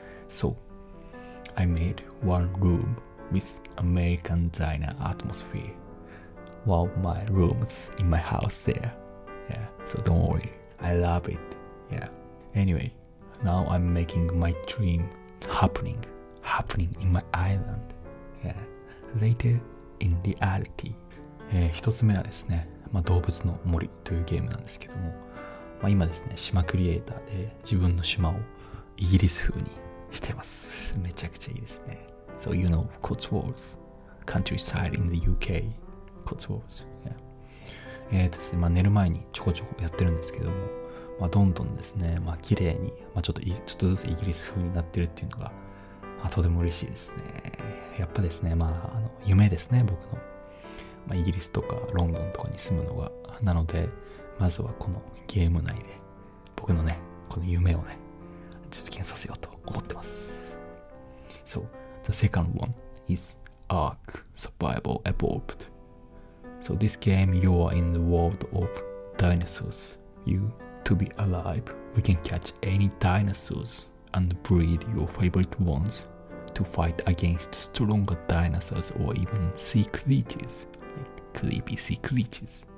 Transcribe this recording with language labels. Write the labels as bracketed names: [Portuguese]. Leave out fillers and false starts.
[English] So I made one room with American diner atmosphere. One of my rooms in my house there. Yeah, so don't worry, I love it. Yeah, anyway. Now I'm making my dream happening in my island. Yeah. Later in reality. [Japanese] 一つ目はですね、まあ、動物の森というゲームなんですけども、まあ、今ですね、島クリエイターで自分の島をイギリス風にしてます。めちゃくちゃいいですね。 [English] So you know, Cotswolds, countryside in the UK. Cotswolds, yeah. [Japanese] ですね、まあ、寝る前にちょこちょこやってるんですけども、まあ、どんどんですね、まあ、綺麗に、まあ、ちょっとずつイギリス風になってるっていうのが、まあ、とても嬉しいですね。やっぱですね、まあ、あの夢ですね、僕の、まあ、イギリスとかロンドンとかに住むのが。なのでまずはこのゲーム内で僕のね、この夢をね実現させようと思ってます。 [English] So the second one is Ark Survival Evolved. So this game, you are in the world of dinosaurs. YouTo be alive, we can catch any dinosaurs and breed your favorite ones to fight against stronger dinosaurs or even sea creatures, like creepy sea creatures.